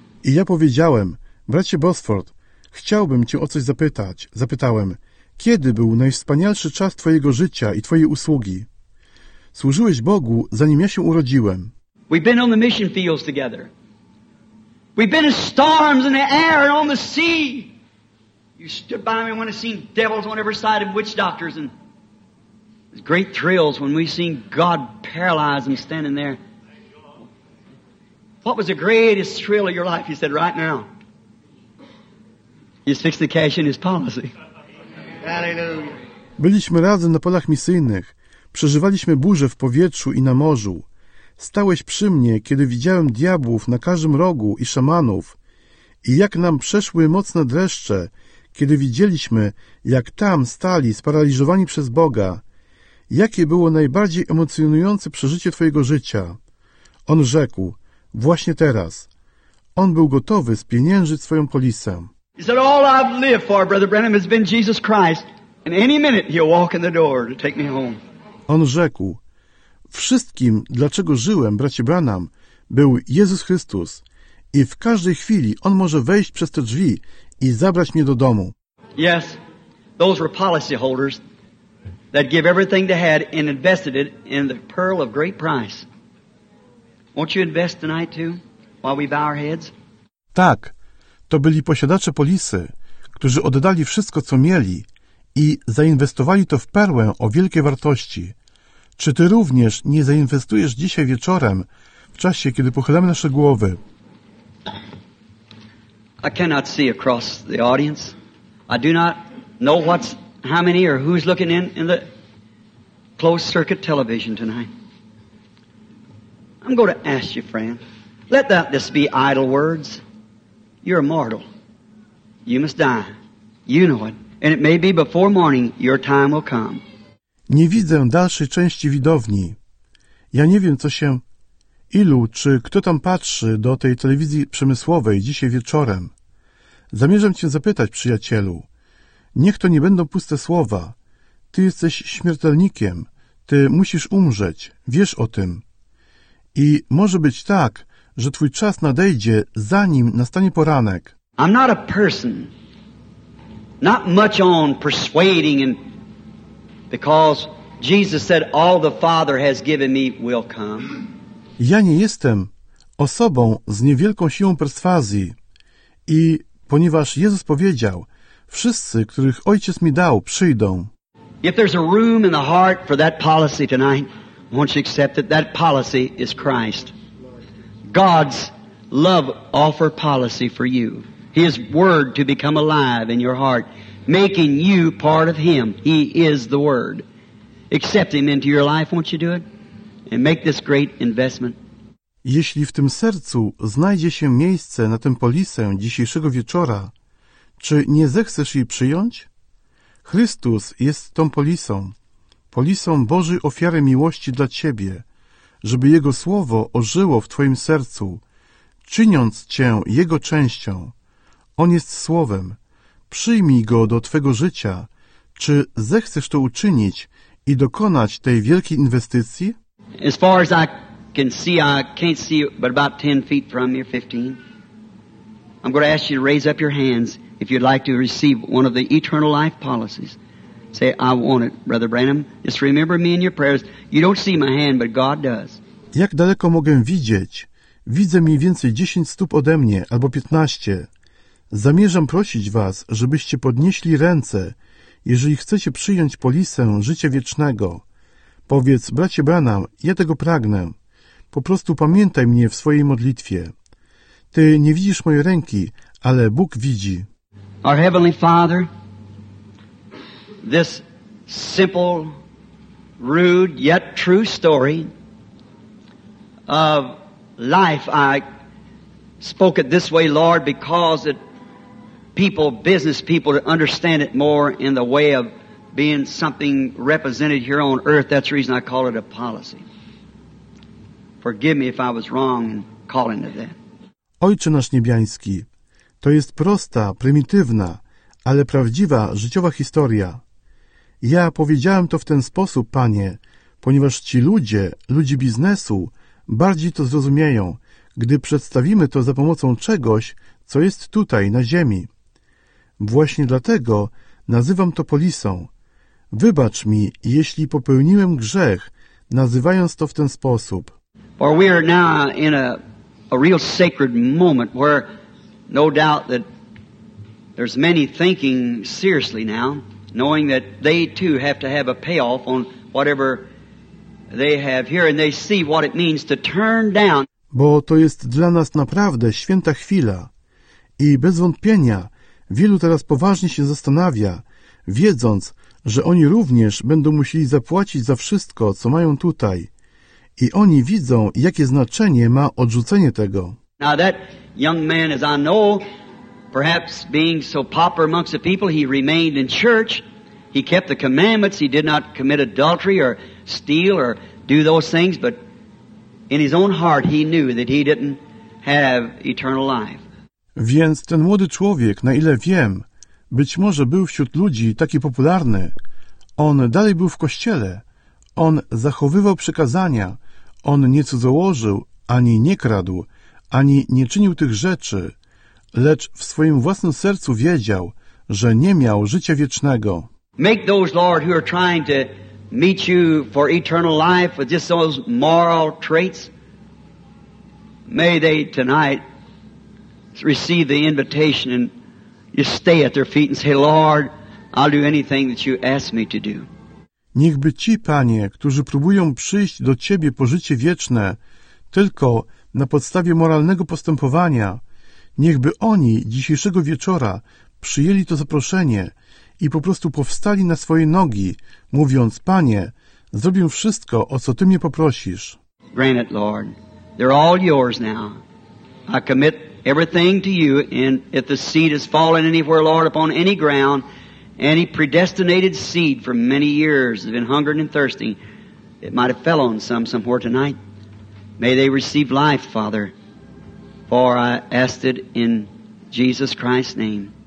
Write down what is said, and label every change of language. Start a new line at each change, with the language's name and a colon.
Polish: I ja powiedziałem, bracie Bosworth, chciałbym cię o coś zapytać. Zapytałem, kiedy był najwspanialszy czas twojego życia i twojej usługi? Służyłeś Bogu, zanim ja się urodziłem.
English: We've been on the mission fields together. We've been in storms in the air and on the sea. You stood by me when I seen devils on every side of witch doctors. And it's great thrills when we seen God paralyze and standing there. What was the greatest thrill of your life? He said, right now. He's fixed the cash in his policy. Hallelujah.
Polish: Byliśmy razem na polach misyjnych. Przeżywaliśmy burze w powietrzu i na morzu. Stałeś przy mnie, kiedy widziałem diabłów na każdym rogu i szamanów. I jak nam przeszły mocne dreszcze, kiedy widzieliśmy, jak tam stali sparaliżowani przez Boga. Jakie było najbardziej emocjonujące przeżycie twojego życia? On rzekł, właśnie teraz. On był gotowy spieniężyć swoją polisę.
English: He said, all I've lived for, Brother Branham, has been Jesus Christ. And any minute he'll walk in the door to take me home.
Polish: On rzekł, wszystkim, dlaczego żyłem, bracie Branham, był Jezus Chrystus. I w każdej chwili On może wejść przez te drzwi i zabrać mnie do domu.
English: Yes, those were policy holders that gave everything they had and invested it in the pearl of great price. Won't you invest tonight too, while we bow our heads?
Polish: Tak, to byli posiadacze polisy, którzy oddali wszystko, co mieli i zainwestowali to w perłę o wielkiej wartości. Czy Ty również nie zainwestujesz dzisiaj wieczorem, w czasie, kiedy pochylamy nasze głowy?
English: I cannot see across the audience. I do not know what's, how many or who's looking in the closed circuit television tonight. I'm going to ask you, friend, let that this be idle words. You're mortal. You must die. You know it. And it may be before morning your time will come.
Polish: Nie widzę dalszej części widowni. Ja nie wiem, co się... Ilu czy kto tam patrzy do tej telewizji przemysłowej dzisiaj wieczorem? Zamierzam cię zapytać, przyjacielu. Niech to nie będą puste słowa. Ty jesteś śmiertelnikiem. Ty musisz umrzeć. Wiesz o tym. I może być tak, że twój czas nadejdzie, zanim nastanie poranek.
English: I'm not a person. Not much on persuading and... Because Jesus said, all the Father has given me will come.
Polish: Ja nie jestem osobą z niewielką siłą perswazji. I ponieważ Jezus powiedział, wszyscy, których Ojciec mi dał, przyjdą.
English: If there's a room in the heart for that policy tonight, won't you accept that that policy is Christ? God's love offer policy for you. His word to become alive in your heart. Making you part of Him. He is the Word. Accept Him into your life, won't you do it? And make this great investment.
Polish: Jeśli w tym sercu znajdzie się miejsce na tę polisę dzisiejszego wieczora, czy nie zechcesz jej przyjąć? Chrystus jest tą polisą, polisą Bożej ofiary miłości dla Ciebie, żeby Jego Słowo ożyło w Twoim sercu, czyniąc Cię Jego częścią. On jest Słowem. Przyjmij go do Twego życia. Czy zechcesz to uczynić i dokonać tej wielkiej inwestycji?
English: As far as I can see, I can't see but about 10 feet from you, 15. I'm going to ask you to raise up your hands if you'd like to receive one of the eternal life policies. Say, I want it, Brother Branham. Just remember me in your prayers. You don't see my hand, but God does.
Polish: Jak daleko mogę widzieć? Widzę mniej więcej 10 stóp ode mnie, albo 15. Zamierzam prosić was, żebyście podnieśli ręce, jeżeli chcecie przyjąć polisę życia wiecznego. Powiedz, bracie Branham, ja tego pragnę. Po prostu pamiętaj mnie w swojej modlitwie. Ty nie widzisz mojej ręki, ale Bóg widzi.
English: Our Heavenly Father, this simple, rude, yet true story of life, I spoke it this way, Lord, because it people, business people, to understand it more in the way of being something represented here on earth. That's the reason I call it a policy. Forgive me if I was wrong in calling it that.
Polish: Ojcze nasz niebiański, to jest prosta, prymitywna, ale prawdziwa życiowa historia. Ja powiedziałem to w ten sposób, Panie, ponieważ ci ludzie, ludzi biznesu, bardziej to zrozumieją, gdy przedstawimy to za pomocą czegoś, co jest tutaj, na ziemi. Właśnie dlatego nazywam to polisą. Wybacz mi, jeśli popełniłem grzech, nazywając to w ten sposób.
English: For we are now in a real sacred moment where no doubt that there's many thinking seriously now, knowing that they too have to have a payoff on whatever they have here, and they see what it means to turn down.
Polish: Bo to jest dla nas naprawdę święta chwila i bez wątpienia wielu teraz poważnie się zastanawia, wiedząc, że oni również będą musieli zapłacić za wszystko, co mają tutaj. I oni widzą, jakie znaczenie ma odrzucenie tego.
English: Now that young man, as I know, perhaps being so pauper amongst the people, he remained in church. He kept the commandments. He did not commit adultery or steal or do those things. But in his own heart, he knew that he didn't have eternal life.
Polish: Więc ten młody człowiek, na ile wiem, być może był wśród ludzi taki popularny. On dalej był w kościele. On zachowywał przykazania. On nie cudzołożył, ani nie kradł, ani nie czynił tych rzeczy. Lecz w swoim własnym sercu wiedział, że nie miał życia wiecznego.
English: Make those, Lord, who are trying to meet you for eternal life with just those moral traits, may they tonight receive the invitation and you stay at their feet and say, Lord, I'll do anything that you ask me to do.
Polish: Niechby ci, Panie, którzy próbują przyjść do Ciebie po życie wieczne tylko na podstawie moralnego postępowania, niechby oni dzisiejszego wieczora przyjęli to zaproszenie i po prostu powstali na swoje nogi, mówiąc: Panie, zrobię wszystko, o co Ty mnie poprosisz.
English: Grant it, Lord. They're all yours now. I commit everything to you, and if the seed has fallen anywhere, Lord, upon any ground, any predestinated seed for many years has been hungering and thirsting, it might have fell on some somewhere tonight. May they receive life, Father, for I ask it in Jesus Christ's name.